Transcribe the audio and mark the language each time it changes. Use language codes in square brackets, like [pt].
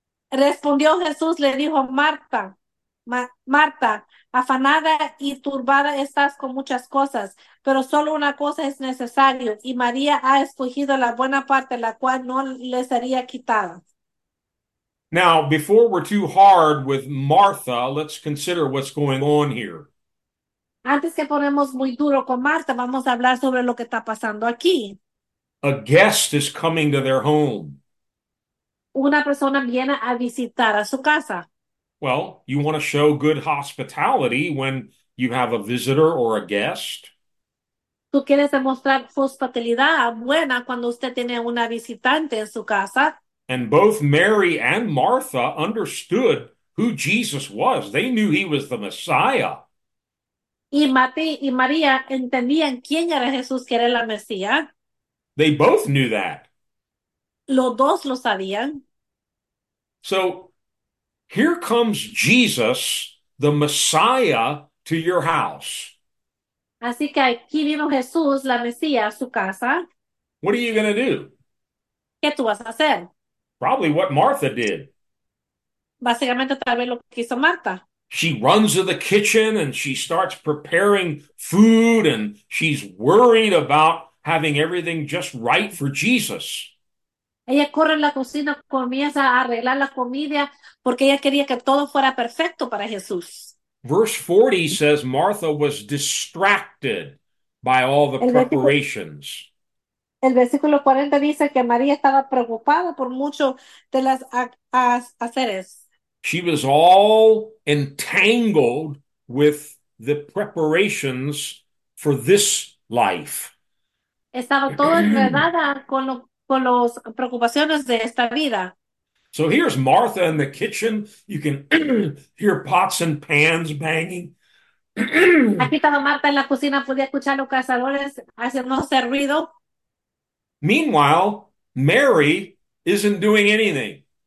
[es] Respondió Jesús, le dijo a Marta, Ma Marta, afanada y turbada estás con muchas cosas, pero solo una cosa es necesaria y María ha escogido la buena parte, la cual no le sería quitada. [en] Now, before we're too hard with Martha, let's consider what's going on here. [es] Antes que ponemos muy duro con Marta, vamos a hablar sobre lo que está pasando aquí. [en] A guest is coming to their home. [es] Una persona viene a visitar a su casa. [en] Well, you want to show good hospitality when you have a visitor or a guest. [es] ¿Tú quieres demostrar hospitalidad buena cuando usted tiene una visitante en su casa? [en] And both Mary and Martha understood who Jesus was. They knew he was the Messiah. [es] Y Mati y María entendían quién era Jesús, quién era la Mesías. [en] They both knew that. [es] Los dos lo sabían. [en] So here comes Jesus, the Messiah, to your house. [es] Así que aquí vino Jesús, la Mesías, a su casa. [en] What are you going to do? [es] ¿Qué tú vas a hacer? [en] Probably what Martha did. [es] Básicamente, tal vez lo que hizo Marta. [en] She runs to the kitchen and she starts preparing food and she's worried about having everything just right for Jesus. [es] Ella corre en la cocina, comienza a arreglar la comida porque ella quería que todo fuera perfecto para Jesús. [en] Verse 40 says Martha was distracted by all the preparations. [es] El versículo 40 dice que María estaba preocupada por mucho de las haceres. [en] She was all entangled with the preparations for this life. [es] Estaba todo enredada con las preocupaciones de esta vida. [en] So here's Martha in the kitchen. You can hear pots and pans banging. [es] Aquí estaba Marta en la cocina, podía escuchar los cazadores haciendo ese ruido. [en] Meanwhile, Mary isn't doing anything.